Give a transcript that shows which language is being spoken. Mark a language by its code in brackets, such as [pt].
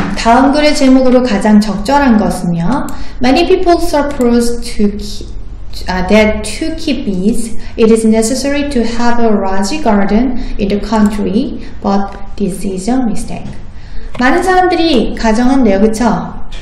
[ko] 다음 글의 제목으로 가장 적절한 것은요. [en] Many people suppose to that to keep bees, it is necessary to have a large garden in the country, but this is a mistake. [ko] 많은 사람들이 가정한대요, 그쵸?